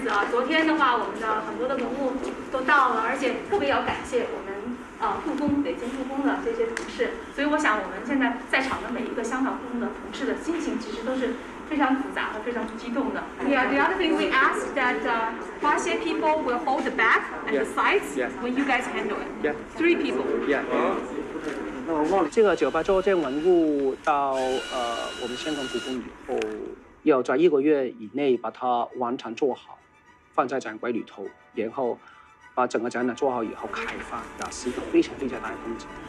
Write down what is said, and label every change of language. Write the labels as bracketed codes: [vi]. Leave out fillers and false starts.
[zh] 昨天的话，我们的很多的文物都到了，而且特别要感谢我们故宫北京故宫的这些同事。所以我想，我们现在在场的每一个香港故宫的同事的心情，其实都是非常复杂和非常激动的。 [en] Yeah, the other thing we ask that Huaxie people will hold the bag and the sides when you guys handle it. Yeah, three people. Yeah. [zh] 这个酒吧周这文物到我们香港故宫以后，要在一个月以内把它完成做好，放在展柜里头，然后把整个展览做好以后开放，那是一个非常非常大的工程。